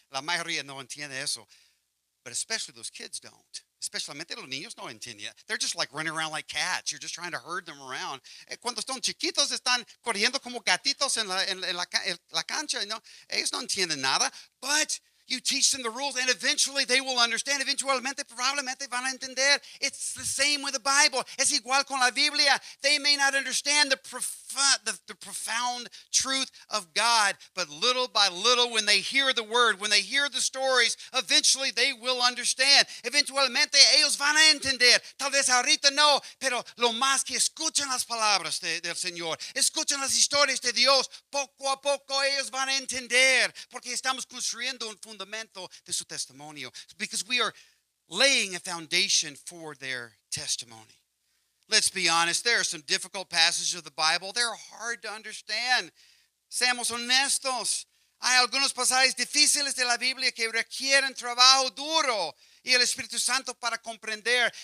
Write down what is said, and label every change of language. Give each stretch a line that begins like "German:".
Spanish: La mayoría no entiende eso.
English: But especially those kids don't.
Spanish: Especialmente los niños no entienden.
English: They're just like running around like cats. You're just trying to herd them around.
Spanish: Cuando son chiquitos, están corriendo como gatitos en la cancha. ¿No? Ellos no entienden nada.
English: But you teach them the rules, and eventually they will understand.
Spanish: Eventualmente, probablemente van a entender.
English: It's the same with the Bible.
Spanish: Es igual con la Biblia.
English: They may not understand the profound truth of God, but little by little, when they hear the word, when they hear the stories, eventually they will understand.
Spanish: Eventualmente, ellos van a entender. Tal vez ahorita no, pero lo más que escuchen las palabras del Señor, escuchen las historias de Dios, poco a poco ellos van a entender, porque estamos construyendo un fundamento de su testimonio,
English: because we are laying a foundation for their testimony. Let's be honest, there are some difficult passages of the Bible. They're hard to understand.
Spanish: Seamos honestos. Hay algunos pasajes difíciles de la Biblia que requieren trabajo duro y el Espíritu Santo para comprender.